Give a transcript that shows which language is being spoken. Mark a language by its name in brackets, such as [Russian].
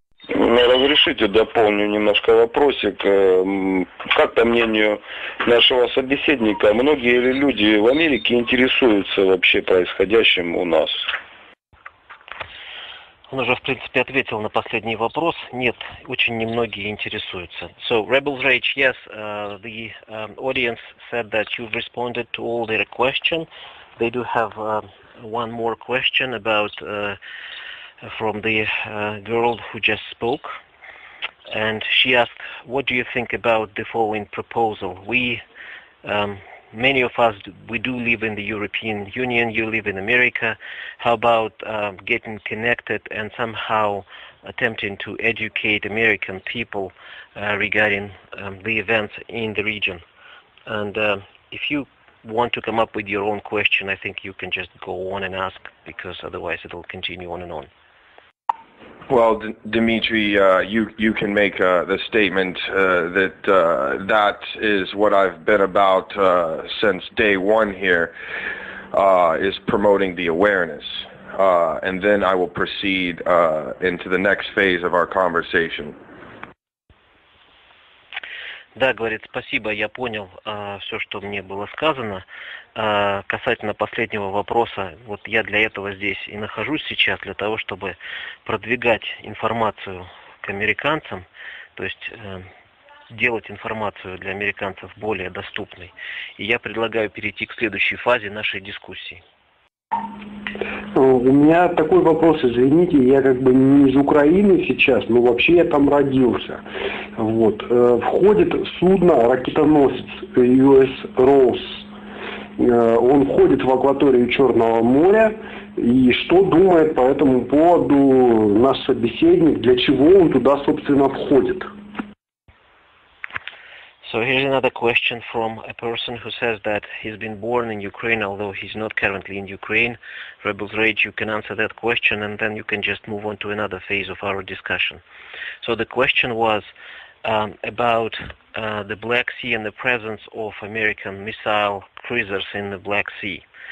[Russian] Разрешите, дополню немножко вопросик. Как, по мнению нашего собеседника, многие ли люди в Америке интересуются вообще происходящим у нас? Он уже, в принципе, ответил на последний вопрос. Нет, очень немногие интересуются. [English] So, Rebels Rage, yes, the audience said that you've responded to all their questions. They do have one more question about from the girl who just spoke. And she asked, what do you think about the following proposal? Many of us, we do live in the European Union, you live in America. How about getting connected and somehow attempting to educate American people regarding the events in the region? And if you want to come up with your own question, I think you can just go on and ask, because otherwise it'll continue on and on. Well, Dimitri, you can make the statement that is what I've been about since day one here, is promoting the awareness. And then I will proceed into the next phase of our conversation. [Russian] Да, говорит, спасибо, я понял все, что мне было сказано. Касательно последнего вопроса, вот я для этого здесь и нахожусь сейчас, для того, чтобы продвигать информацию к американцам, то есть делать информацию для американцев более доступной. И я предлагаю перейти к следующей фазе нашей дискуссии. У меня такой вопрос, извините, я не из Украины сейчас, но вообще я там родился. Вот. Входит судно, ракетоносец US Ross. Он входит в акваторию Черного моря. И что думает по этому поводу наш собеседник? Для чего он туда, собственно, входит? [English] So here's another question from a person who says that he's been born in Ukraine, although he's not currently in Ukraine. Rebels Rage, you can answer that question, and then you can just move on to another phase of our discussion. So the question was about the Black Sea and the presence of American missile cruisers in the Black Sea.